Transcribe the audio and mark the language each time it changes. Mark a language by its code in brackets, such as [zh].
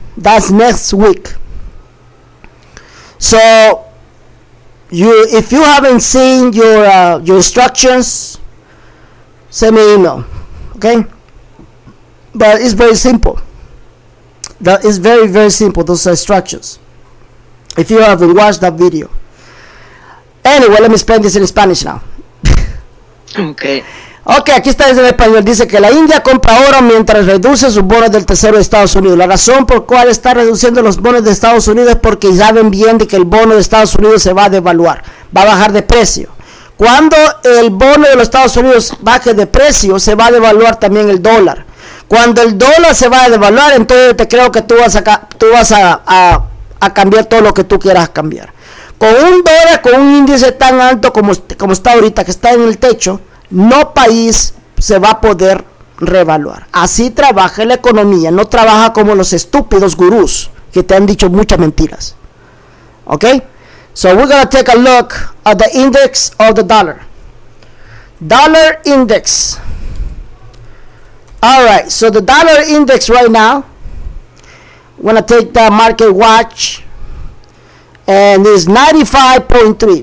[en] That's next week. So, if you haven't seen your instructions, send me an email, okay? But it's very simple. That is very, very simple, those are instructions. If you haven't watched that video. Anyway, let me explain this in Spanish now. Okay. [es] Ok, aquí está en español, dice que la India compra oro mientras reduce sus bonos del Tesoro de Estados Unidos. La razón por la cual está reduciendo los bonos de Estados Unidos es porque saben bien de que el bono de Estados Unidos se va a devaluar, va a bajar de precio. Cuando el bono de los Estados Unidos baje de precio, se va a devaluar también el dólar. Cuando el dólar se va a devaluar, entonces te creo que tú vas a cambiar todo lo que tú quieras cambiar. Con un dólar, con un índice tan alto como está ahorita, que está en el techo, no país se va a poder revaluar. Así trabaja la economía. No trabaja como los estúpidos gurús que te han dicho muchas mentiras. ¿Ok? [en] So we're going to take a look at the index of the dollar. Dollar index. All right, so the dollar index right now, when I take the market watch, and it's 95.3.